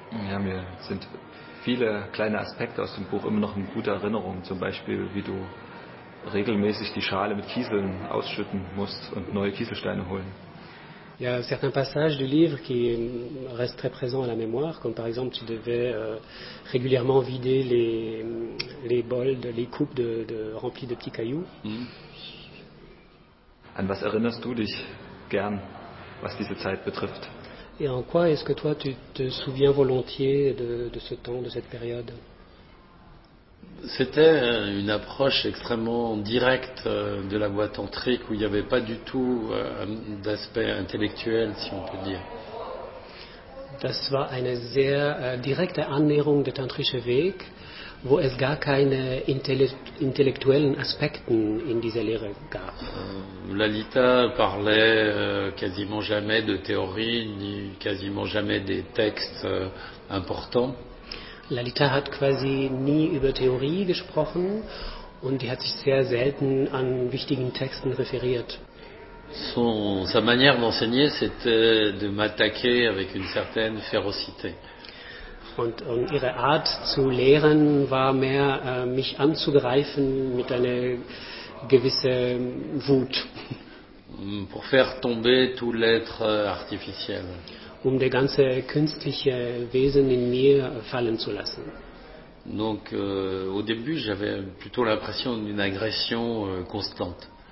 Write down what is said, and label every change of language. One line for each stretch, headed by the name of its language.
German: Ja, mir sind viele kleine Aspekte aus dem Buch immer noch in guter Erinnerung, zum Beispiel wie du regelmäßig die Schale mit Kieseln ausschütten musst und neue Kieselsteine holen.
French: Il y a certains passages du livre qui restent très présents à la mémoire, comme par exemple tu devais régulièrement vider les bols, les coupes de remplies de petits cailloux.
German: An was erinnerst du dich gern, was diese Zeit betrifft?
French: Et en quoi est-ce que toi tu te souviens volontiers de ce temps, de cette période? C'était une approche extrêmement directe de la voie tantrique où il n'y avait pas du tout d'aspect intellectuel, si on peut dire.
German: Das war eine sehr direkte Annäherung des tantrischen Weg, wo es gar keine intellektuellen Aspekten in dieser Lehre gab.
French: Lalita parlait quasiment jamais de théorie ni quasiment jamais des textes importants.
German: Lalita hat quasi nie über Theorie gesprochen und die hat sich sehr selten an wichtigen Texten referiert.
French: Sa manière d'enseigner, c'était de m'attaquer avec une certaine férocité.
German: Und ihre Art zu lehren war mehr, mich anzugreifen mit einer gewissen Wut.
French: Pour faire tomber tout l'être artificiel.
German: Um der ganze künstliche Wesen in mir fallen zu lassen.
French: Donc au début, j'avais plutôt l'impression d'une agression constante.